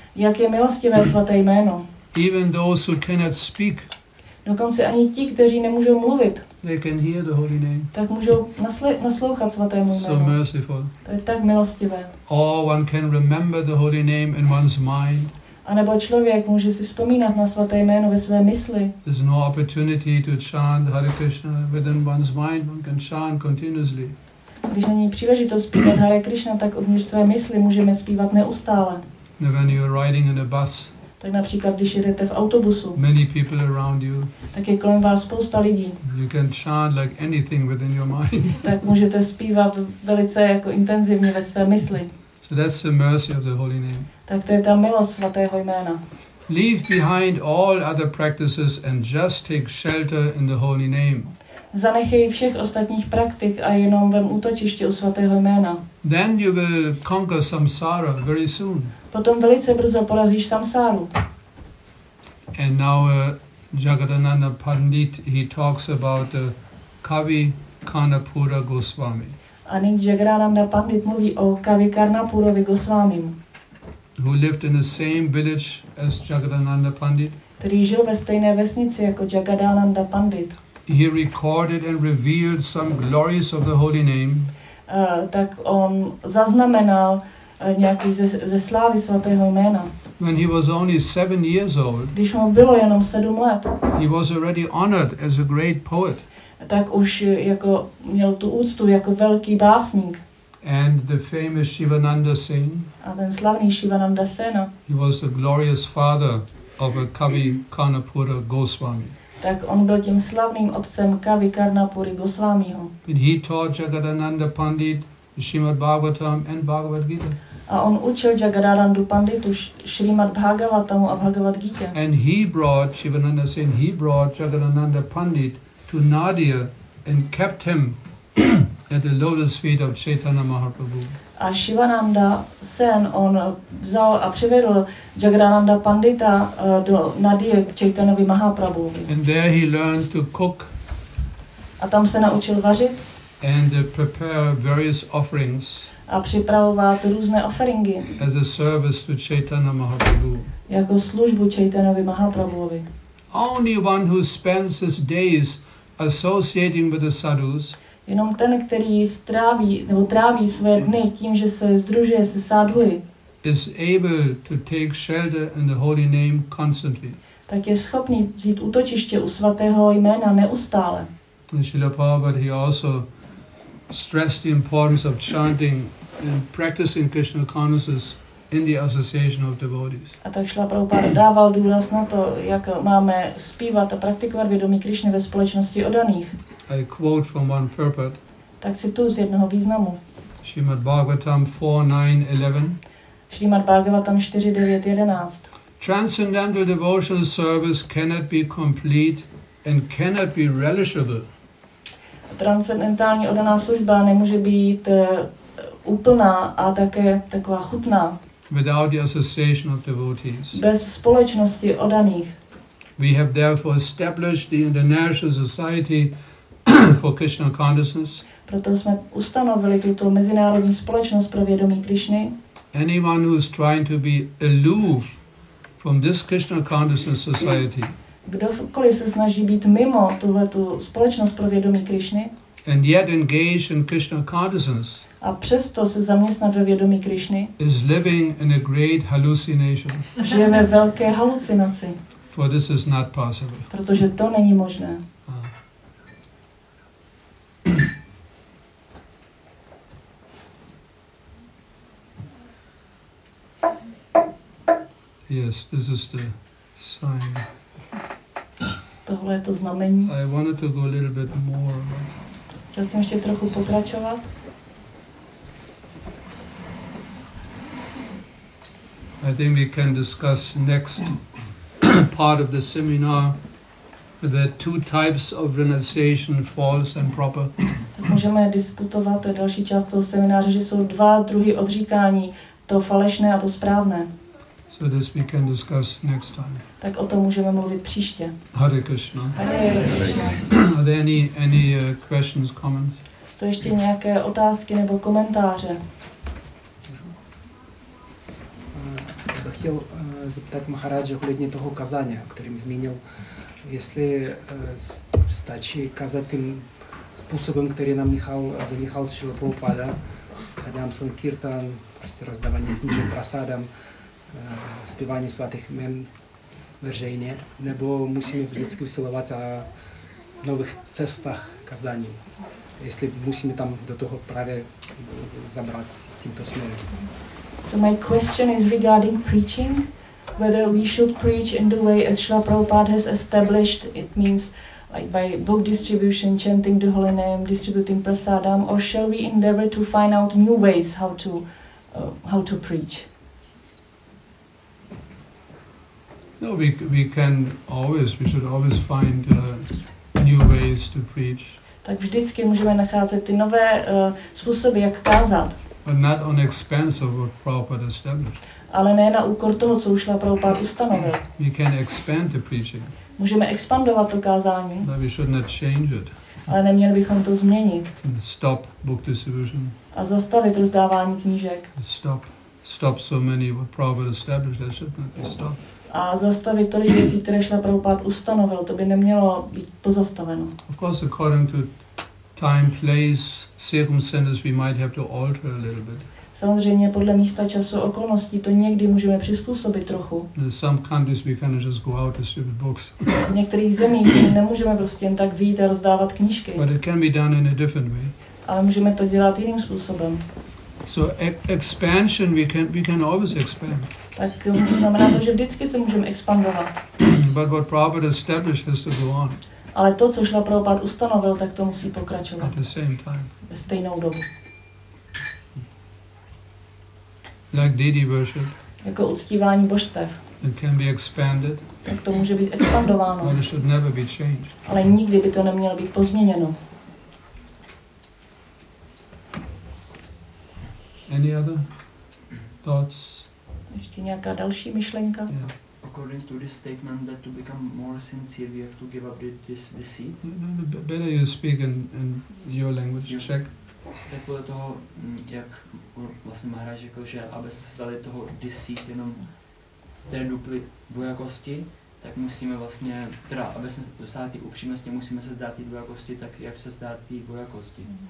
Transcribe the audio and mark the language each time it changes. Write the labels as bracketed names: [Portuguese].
[Czech] Jak je milostivé svaté jméno. [English] Even those who cannot speak. [Czech] Dokonce ani ti, kteří nemůžou mluvit. [English] They can hear the holy name. [Czech] Tak můžou naslouchat svatému jménu. [English] So merciful. [Czech] To je tak milostivé. [English] Or one can remember the holy name in one's mind. [Czech] A nebo člověk může si vzpomínat na svaté jméno ve své mysli. [English] There's no opportunity to chant Hare Krishna within one's mind. One can chant continuously. [Czech] Když není příležitost zpívat Hare Krishna, tak uvnitř své mysli můžeme zpívat neustále. [English] When you're riding in a bus. [Czech] Tak například, když jedete v autobusu. [English] Many people around you. [Czech] Tak je kolem vás spousta lidí. [English] You can chant like anything within your mind. [Czech] Tak můžete zpívat velice jako intenzivně ve své mysli. [English] So that's the mercy of the holy name. [Czech] Tak to je ta milost svatého jména. [English] Leave behind all other practices and just take shelter in the holy name. [Czech] Zanechej všech ostatních praktik a jenom vem útočiště u svatého jména. [English] Then you will conquer samsara very soon. [Czech] Potom velice brzo porazíš samsáru. [English] And now Jagadananda Pandit, he talks about Kavi Karnapura Goswami. [Czech] A nyní Jagadananda Pandit mluví o Kavi Karnapurovi Goswami. [English] Who lived in the same village as Jagadananda Pandit. [Czech] Který žil ve stejné vesnici jako Jagadananda Pandit. [English] He recorded and revealed some glories of the holy name. [Czech] Tak on zaznamenal nějaký ze slávy svatého jména. [English] When he was only 7 years old. [Czech] Když mu bylo jenom 7 let. [English] He was already honored as a great poet. [Czech] Tak už jako měl tu úctu jako velký básník. [English] And the famous Shivananda Sen. [Czech] A ten slavný Shivananda Sen. [English] He was the glorious father of a Kavi Karnapura Goswami. [Czech] Tak on byl tím slavným otcem Kavi Karnapuri Goswamiho. [English] He taught Jagadananda Pandit Srimad Bhagavatam and Bhagavad Gita. [Czech] A on učil Jagadanandu Panditu Srimad Bhagavatamu a Bhagavad Gita. [English] And he brought Shivananda Sen, he brought Jagadananda Pandit to Nadia and kept him at the lotus feet of Chaitanya Mahaprabhu. [Czech] A Shivananda Sen on vzal a přivedl Jagadananda Pandita do Nadie k Chaitanyovi Mahaprabhu. [English] And there he learned to cook. [Czech] A tam se naučil vařit. [English] And prepare various offerings. [Czech] A připravovat různé offeringy. [English] As a service to Chaitanya Mahaprabhu. [Czech] Jako službu Chaitanyovi Mahaprabhuovi. [English] Only one who spends his days associating with the sadhus. [Czech] Jenom ten, který stráví nebo tráví své dny tím, že se združuje se sadhuji, [English] is able to take shelter in the holy name constantly. [Czech] Tak je schopný vzít útočiště u svatého jména neustále. [English] Srila Prabhupada, he also stressed the importance of chanting and practicing Krishna consciousness in the association of devotees. [Czech] A tak Srila Prabhupada dával důraz na to, jak máme zpívat a praktikovat vědomí Krišny ve společnosti odaných. [English] I quote from one purport. [Czech] Tak cituji z jednoho významu. [English] Srimad Bhagavatam 4.9.11. [Czech] Srimad Bhagavatam 4.9.11. [English] Transcendental devotional service cannot be complete and cannot be relishable. [Czech] Transcendentální odaná služba nemůže být úplná a také taková chutná. [English] Without the association of devotees. [Czech] Bez společnosti odaných. [English] We have therefore established the International Society for Krishna Consciousness. [Czech] Proto jsme ustanovili tuto mezinárodní společnost pro vědomí Krišny. [English] Anyone who is trying to be aloof from this Krishna Consciousness Society. [Czech] Kdokoliv se snaží být mimo tuhletu společnost pro vědomí Krišny. [English] And yet engage in Krishna consciousness. [Czech] A přesto se zaměstnat ve vědomí Krišny. [English] Is living in a great hallucination. [Czech] Žije ve velké halucinaci. [English] For this is not possible. [Czech] Protože to není možné. [English] Yes, this is the sign. [Czech] Tohle je to znamení. [English] I wanted to go a little bit more. [Czech] Chtěl jsem ještě trochu pokračovat. [English] I think we can discuss next part of the seminar that two types of renunciation, false and proper. [Czech] Můžeme diskutovat další část toho semináře, že jsou dva druhy odříkání, to falešné a to správné. [English] So this we can discuss next time. [Czech] Tak o tom můžeme mluvit příště. [English] Hare Krishna. Are there any questions, comments? [Czech] Jsou ještě nějaké otázky nebo komentáře? Bych chtěl zeptat Maharaja ohledně toho kazání, o kterém zmínil. Jestli stačí kazat tím způsobem, který nám zanechal Srila Prabhupada, Hadam Sankirtan, prostě rozdávání knížek prasádam, zpívání svatých jmen veřejně, nebo musíme vždycky usilovat o nových cestách kazání, jestli musíme tam do toho právě zabrat tímto směrem. [English] So my question is regarding preaching. whether we should preach in the way as Srila Prabhupada has established, it means like by book distribution, chanting the holy name, distributing prasadam, or shall we endeavor to find out new ways how to preach? No, we can always, we should always find new ways to preach. [Czech] Tak vždycky můžeme nacházet ty nové způsoby, jak kázat. [English] But not on expense of what Prabhupada established. [Czech] Ale ne na úkor toho, co už Prabhupada ustanovil. [English] We can expand the preaching. [Czech] Můžeme expandovat to kázání. [English] But we should not change it. [Czech] Ale neměli bychom to změnit. [English] And stop book distribution. [Czech] A zastavit rozdávání knížek. [English] Stop so many what Prabhupada established, that should not be stopped. [Czech] A zastavit tolik věcí, které Srila Prabhupada ustanovil, to by nemělo být pozastaveno. [English] Of course, according to time, place, circumstances, we might have to alter a little bit. [Czech] Samozřejmě podle místa, času, okolností to někdy můžeme přizpůsobit trochu. [English] In some countries we cannot just go out and distribute books. [Czech] V některých zemích nemůžeme prostě jen tak vyjít a rozdávat knížky. [English] But it can be done in a different way. [Czech] Ale můžeme to dělat jiným způsobem. [English] So expansion, we can always expand. [Czech] Tak znamená to, že vždycky se můžeme expandovat. [English] But what Prabhupada established has to go on. [Czech] Ale to, co Srila Prabhupada ustanovil, tak to musí pokračovat. [English] At the same time. [Czech] Ve stejnou dobu. [English] Like deity worship. [Czech] Jako uctívání božstev. [English] It can be expanded. [Czech] Tak to může být expandováno. [English] But it should never be changed. [Czech] Ale nikdy by to nemělo být pozměněno. [English] Any other thoughts? [Czech] Ještě nějaká další myšlenka? [English] Yeah. According to this statement that to become more sincere we have to give up this deceit. No, better you speak in your language, yeah. Czech. [Czech] Tak podle toho, jak vlastně Maharaj řekl, že aby se stali toho deceit jenom té dupli dvojakosti, tak musíme vlastně, teda aby jsme dosáhli té upřímnosti, musíme se zdát té dvojakosti, tak jak se zdát té dvojakosti?